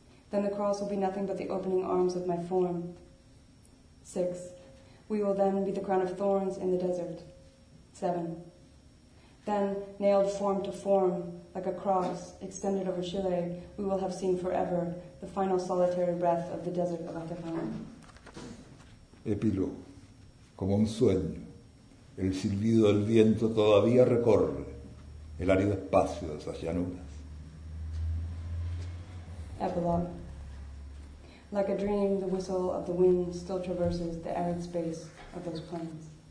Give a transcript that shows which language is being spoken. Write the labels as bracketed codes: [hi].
[en] Then the cross will be nothing but the opening arms of my form. 6. We will then be the crown of thorns in the desert. 7. Then, nailed form to form, like a cross extended over Chile, we will have seen forever the final solitary breath of the desert of Atacama. [es] Epílogo. Como un sueño, el silbido del viento todavía recorre el árido espacio de esas llanuras. [en] Epilogue. Like a dream, the whistle of the wind still traverses the arid space of those plains.